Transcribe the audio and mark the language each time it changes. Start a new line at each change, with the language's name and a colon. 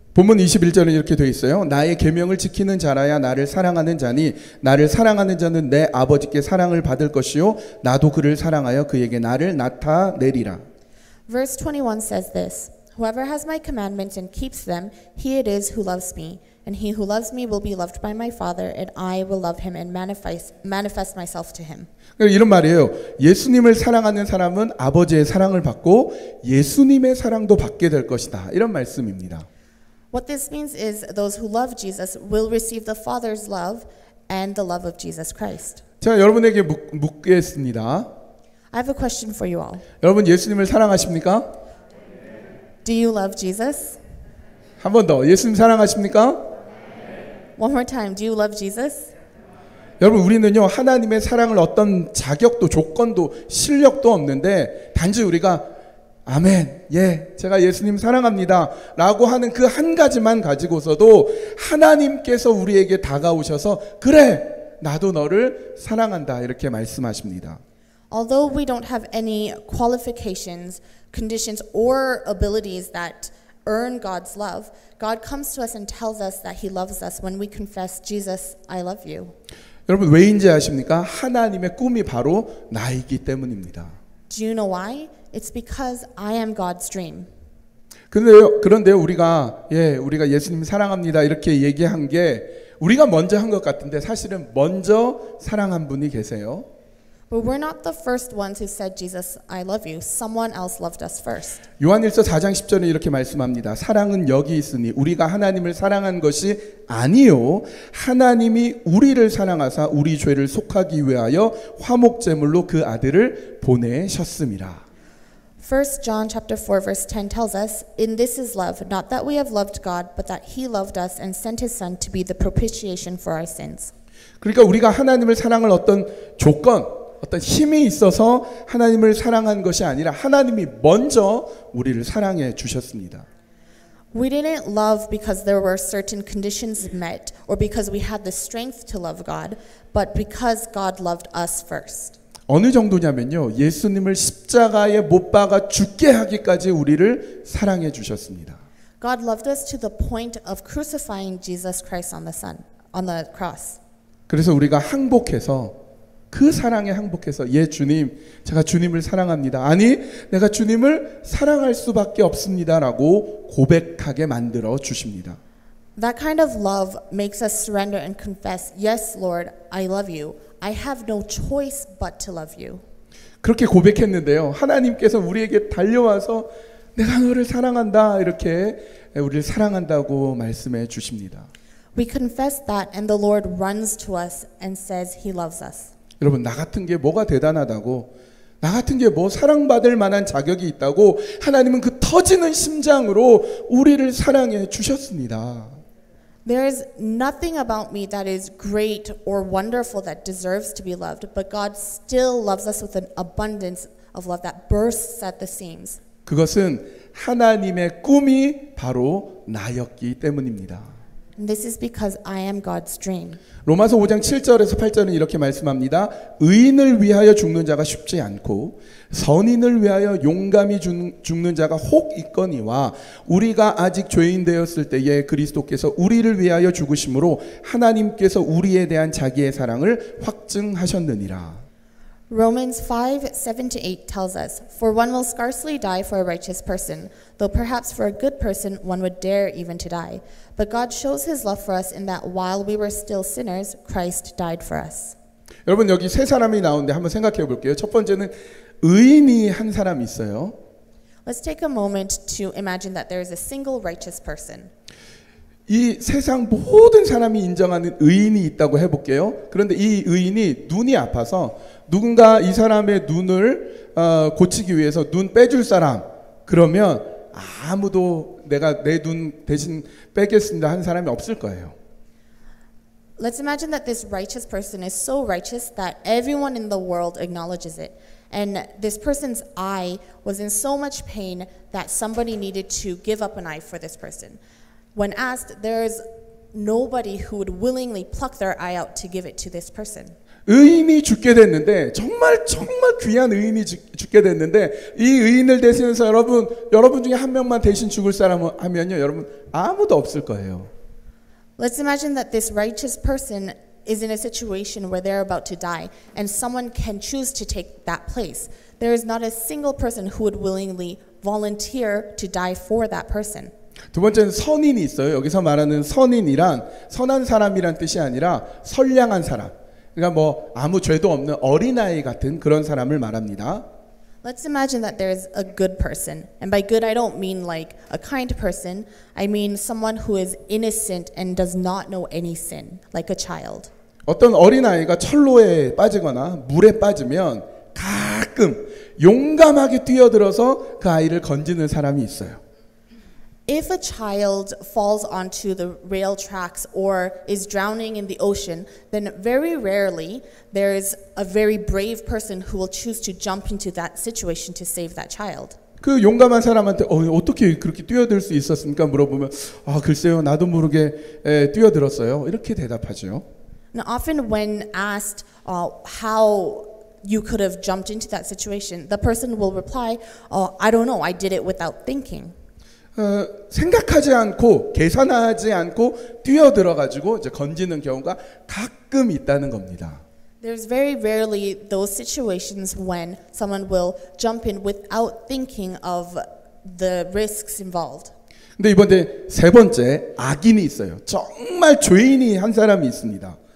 Korean: 본문 21절은 이렇게 되어 있어요. 나의 계명을 지키는 자라야 나를 사랑하는 자니 나를 사랑하는 자는 내 아버지께 사랑을 받을 것이요 나도 그를 사랑하여 그에게 나를 나타내리라.
English: Verse 21 says this. Whoever has my commandments and keeps them, he it is who loves me. And he who loves me will be loved by my Father, and I will love him and manifest myself to him.
Korean: 이런 말이에요. 예수님을 사랑하는 사람은 아버지의 사랑을 받고 예수님의 사랑도 받게 될 것이다. 이런 말씀입니다.
English: What this means is those who love Jesus will receive the Father's love and the love of Jesus Christ.
Korean: 제가 여러분에게 묻겠습니다.
English: I have a question for you all.
Korean: 여러분 예수님을 사랑하십니까?
English: Do you love Jesus?
Korean: 한 번 더. 예수님 사랑하십니까?
English: One more time. Do you love Jesus?
Korean: 여러분 우리는요 하나님의 사랑을 어떤 자격도 조건도 실력도 없는데 단지 우리가 아멘, 예, 제가 예수님 사랑합니다 라고 하는 그 한 가지만 가지고서도 하나님께서 우리에게 다가오셔서 그래 나도 너를 사랑한다 이렇게 말씀하십니다.
English: Although we don't have any qualifications, conditions or abilities that earn God's love, God comes to us and tells us that he loves us when we confess Jesus, I love you.
Korean: 여러분 왜인지 아십니까? 하나님의 꿈이 바로 나이기 때문입니다.
English: Do you know why? It's because I am God's dream.
Korean: 그런데요 우리가 예수님 사랑합니다 이렇게 얘기한 게 우리가 먼저 한 것 같은데 사실은 먼저 사랑한 분이 계세요.
English: But we're not the first ones who said Jesus, I love you. Someone else loved us first.
Korean: 요한일서 4장 10절은 이렇게 말씀합니다. 사랑은 여기 있으니 우리가 하나님을 사랑한 것이 아니요 하나님이 우리를 사랑하사 우리 죄를 속하기 위하여 화목제물로 그 아들을 보내셨습니다.
English: 1 John chapter 4 verse 10 tells us, In this is love, not that we have loved God, but that he loved us and sent his son to be the propitiation for our sins.
Korean: 그러니까 우리가 하나님을 사랑할 어떤 조건, 어떤 힘이 있어서 하나님을 사랑한 것이 아니라 하나님이 먼저 우리를 사랑해 주셨습니다.
English: We didn't love because there were certain conditions met or because we had the strength to love God, but because God loved us first.
Korean: 어느 정도냐면요. 예수님을 십자가에 못 박아 죽게 하기까지 우리를 사랑해 주셨습니다.
English: God loved us to the point of crucifying Jesus Christ on the cross.
Korean: 그래서 우리가 항복해서 그 사랑에 항복해서 예 주님 제가 주님을 사랑합니다. 아니 내가 주님을 사랑할 수밖에 없습니다라고 고백하게 만들어 주십니다.
English: That kind of love makes us surrender and confess, "Yes, Lord, I love you. I have no choice but to love you."
Korean: 그렇게 고백했는데요. 하나님께서 우리에게 달려와서 내가 너를 사랑한다 이렇게 우리를 사랑한다고 말씀해 주십니다.
English: We confess that and the Lord runs to us and says he loves us.
Korean: 여러분 나 같은 게 뭐가 대단하다고 나 같은 게 뭐 사랑받을 만한 자격이 있다고 하나님은 그 터지는 심장으로 우리를 사랑해 주셨습니다.
English: There is nothing about me that is great or wonderful that deserves to be loved, but God still loves us with an abundance of love that bursts at the seams.
Korean: 그것은 하나님의 꿈이 바로 나였기 때문입니다.
English: This is because I am God's dream.
Korean: 로마서 5장 7절에서 8절은 이렇게 말씀합니다. 의인을 위하여 죽는 자가 쉽지 않고 선인을 위하여 용감히 죽는 자가 혹 있거니와 우리가 아직 죄인 되었을 때에 그리스도께서 우리를 위하여 죽으심으로 하나님께서 우리에 대한 자기의 사랑을 확증하셨느니라.
English: Romans 5:7-8 tells us, For one will scarcely die for a righteous person, though perhaps for a good person one would dare even to die. But God shows his love for us in that while we were still sinners, Christ died for us.
Korean: 여러분 여기 세 사람이 나오는데 한번 생각해 볼게요. 첫 번째는 의인이 한 사람 있어요.
English: Let's take a moment to imagine that there is a single righteous person.
Korean: 이 세상 모든 사람이 인정하는 의인이 있다고 해볼게요. 그런데 이 의인이 눈이 아파서 누군가 이 사람의 눈을 고치기 위해서 눈 빼줄 사람 그러면 아무도 내가 내 눈 대신 빼겠습니다 하는 사람이 없을 거예요.
English: Let's imagine that this righteous person is so righteous that everyone in the world acknowledges it. And this person's eye was in so much pain that somebody needed to give up an eye for this person. When asked, there's nobody who would willingly pluck their eye out to give it to this person.
Korean: 의인이 죽게 됐는데 정말 정말 귀한 의인이 죽게 됐는데 이 의인을 대신해서 여러분 여러분 중에 한 명만 대신 죽을 사람 하면요 여러분 아무도 없을 거예요.
English: Let's imagine that this righteous person is in a situation where they're about to die and someone can choose to take that place. There is not a single person who would willingly volunteer to die for that person.
Korean: 두 번째는 선인이 있어요. 여기서 말하는 선인이란 선한 사람이란 뜻이 아니라 선량한 사람. 그러니까 뭐 아무 죄도 없는 어린아이 같은 그런 사람을 말합니다.
English: Let's imagine that there is a good person. And by good, I don't mean like a kind person. I mean someone who is innocent and does not know any sin, like a child.
Korean: 어떤 어린아이가 철로에 빠지거나 물에 빠지면 가끔 용감하게 뛰어들어서 그 아이를 건지는 사람이 있어요.
English: If a child falls onto the rail tracks or is drowning in the ocean, then very rarely there is a very brave person who will choose to jump into that situation to save that child.
Korean: 그 용감한 사람한테 어떻게 그렇게 뛰어들 수 있었습니까? 물어보면 아 글쎄요 나도 모르게 뛰어들었어요 이렇게 대답하죠.
English: Now often when asked how you could have jumped into that situation, the person will reply, I don't know, I did it without thinking.
Korean: 생각하지 않고 계산하지 않고 뛰어들어 가지고 이제 건지는 경우가 가끔 있다는 겁니다.
English: There's very rarely those situations when someone will jump in without thinking of the risks involved.
Korean: 근데 이번에 세 번째 악인이 있어요. 정말 죄인이 한 사람이 있습니다.